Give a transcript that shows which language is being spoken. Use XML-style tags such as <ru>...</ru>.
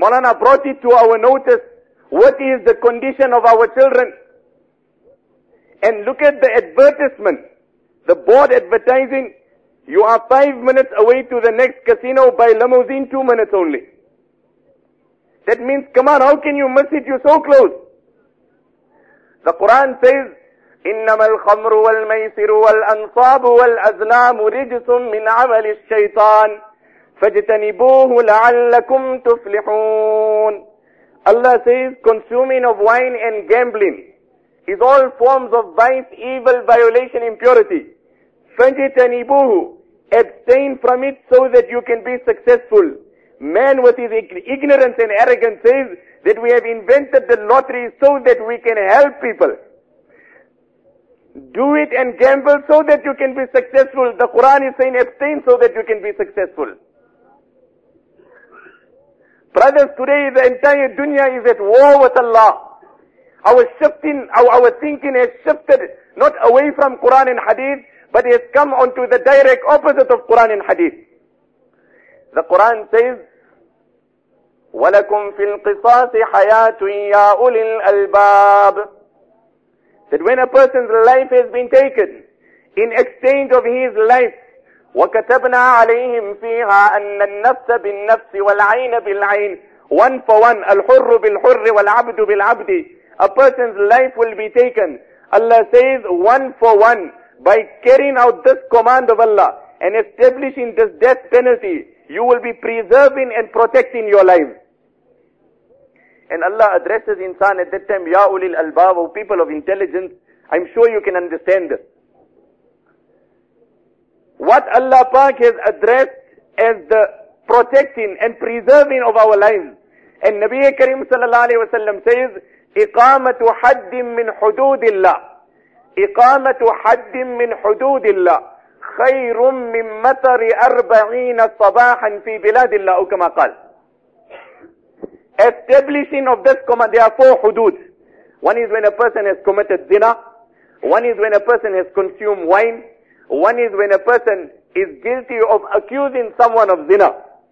<en>Maulana brought it to our notice. What is the condition of our children? And look at the advertisement, the board advertising, you are 5 minutes away to the next casino by limousine, 2 minutes only. That means, come on, how can you miss it? You're so close. The Quran says,</en> <ar>إِنَّمَا الْخَمْرُ وَالْمَيْسِرُ وَالْأَنْصَابُ وَالْأَزْلَامُ رِجْسٌ مِّنْ عَمَلِ الشَّيْطَانِ فَاجْتَنِبُوهُ لَعَلَّكُمْ تُفْلِحُونَ.</ar> <en>Allah says, consuming of wine and gambling is all forms of vice, evil, violation, impurity.</en> <ar>فَجِتَنِبُوهُ,</ar> <en>abstain from it so that you can be successful. Man with his ignorance and arrogance says that we have invented the lottery so that we can help people. Do it and gamble so that you can be successful. The Quran is saying abstain so that you can be successful. Brothers, today the entire dunya is at war with Allah. Our thinking has shifted not away from Quran and Hadith, but has come onto the direct opposite of Quran and Hadith. The Quran says,</en> <ar>وَلَكُمْ فِي الْقِصَاصِ حَيَاةٌ يَا أُولِي الْأَلْبَابِ.</ar> <en>That when a person's life has been taken, in exchange of his life,</en> <ar>وَكَتَبْنَا عَلَيْهِمْ فِيهَا أَنَّ النَّفْسَ بِالنَّفْسِ وَالْعَيْنَ بِالْعَيْنِ.</ar> <en>One for one,</en> <ar>الْحُرُّ بِالْحُرِّ وَالْعَبْدُ بِالْعَبْدِ.</ar> <en>A person's life will be taken. Allah says, one for one, by carrying out this command of Allah and establishing this death penalty, you will be preserving and protecting your life. And Allah addresses insan at that time, Ya ulil albab, O people of intelligence, I'm sure you can understand this. What Allah Pak has addressed as the protecting and preserving of our lives. And Nabi Karim sallallahu alayhi wa sallam says,</en> <ar>إِقَامَةُ حَدٍّ مِّنْ حُدُودِ اللَّهِ إِقَامَةُ حَدٍّ مِّنْ حُدُودِ اللَّهِ خَيْرٌ مِّنْ مَطَرِ أَرْبَعِينَ صَبَاحًا فِي بِلَادِ اللَّهِ. أو كما قال,</ar> <en>establishing of this command, there are four hudud. One is when a person has committed zina. One is when a person has consumed wine. One is when a person is guilty of accusing someone of zina.</en>